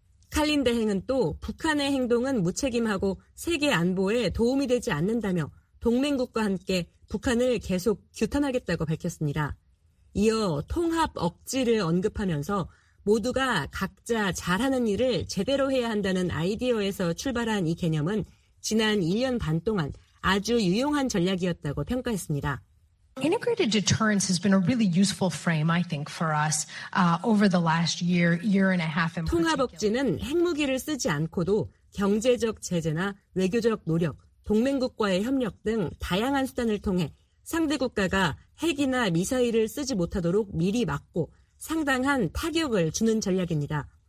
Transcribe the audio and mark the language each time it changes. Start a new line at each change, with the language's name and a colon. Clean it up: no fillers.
Korean: 칼린 대행은 또 북한의 행동은 무책임하고 세계 안보에 도움이 되지 않는다며 동맹국과 함께 북한을 계속 규탄하겠다고 밝혔습니다. 이어 통합 억지를 언급하면서 모두가 각자 잘하는 일을 제대로 해야 한다는 아이디어에서 출발한 이 개념은 지난 1년 반 동안 아주 유용한 전략이었다고 평가했습니다.
English: Integrated deterrence has been a really useful frame, I think, for us over the last year, year and a half.
Korean: 통합 억지는 핵무기를 쓰지 않고도 경제적 제재나 외교적 노력, 동맹국과의 협력 등 다양한 수단을 통해 상대 국가가 핵이나 미사일을 쓰지 못하도록 미리 막고 상당한 타격을 주는 전략입니다.